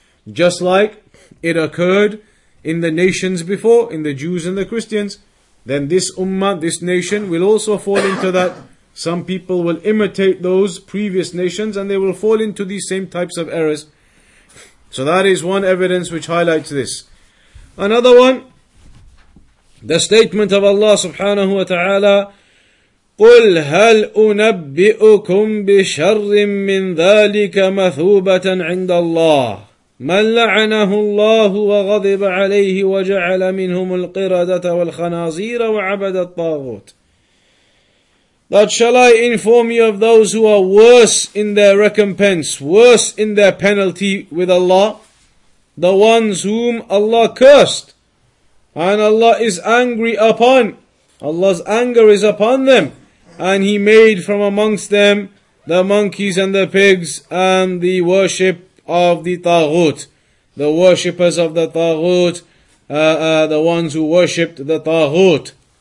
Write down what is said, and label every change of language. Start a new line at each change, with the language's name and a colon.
English: Just like it occurred in the nations before, in the Jews and the Christians. Then this ummah, this nation, will also fall into that. Some people will imitate those previous nations and they will fall into these same types of errors. So that is one evidence which highlights this. Another one, the statement of Allah subhanahu wa ta'ala,
Arabic: قُلْ هَلْ أُنَبِّئُكُمْ بِشَرٍ مِّن ذَلِكَ مَثُوبَةً عِنْدَ اللَّهِ مَنْ لَعَنَهُ اللَّهُ وَغَضِبَ عَلَيْهِ وَجَعَلَ مِنْهُمُ الْقِرَدَةَ وَالْخَنَازِيرَ وَعَبَدَ الطَّاغُوتِ.
English: That shall I inform you of those who are worse in their recompense, worse in their penalty with Allah, the ones whom Allah cursed, and Allah is angry upon, Allah's anger is upon them, and He made from amongst them the monkeys and the pigs, and the worship of the Taghut, the worshippers of the Taghut, the ones who worshipped the Taghut.